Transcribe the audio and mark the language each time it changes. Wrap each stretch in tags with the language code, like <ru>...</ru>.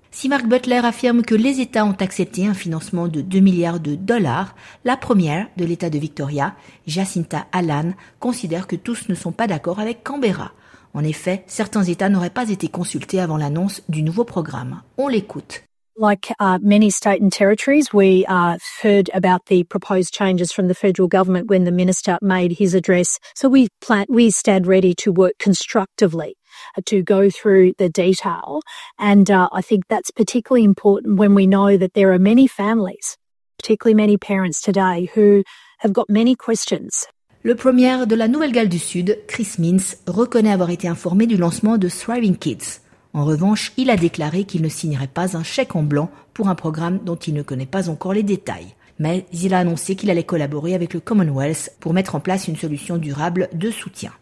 <fr>Si Mark Butler affirme que les États ont accepté un financement de 2 milliards de dollars, la première de l'État de Victoria, Jacinta Allan, considère que tous ne sont pas d'accord avec Canberra. En effet, certains États n'auraient pas été consultés avant l'annonce du nouveau programme. On l'écoute.</fr> <en>Like many states and territories, we heard about the proposed changes from the federal government when the minister made his address. So we stand ready to work constructively to go through the detail. And I think that's particularly important when we know that there are many families, particularly many parents today, who have got many questions.</en> <fr>Le premier de la Nouvelle-Galles du Sud, Chris Minns, reconnaît avoir été informé du lancement de Thriving Kids. En revanche, il a déclaré qu'il ne signerait pas un chèque en blanc pour un programme dont il ne connaît pas encore les détails. Mais il a annoncé qu'il allait collaborer avec le Commonwealth pour mettre en place une solution durable de soutien.</fr>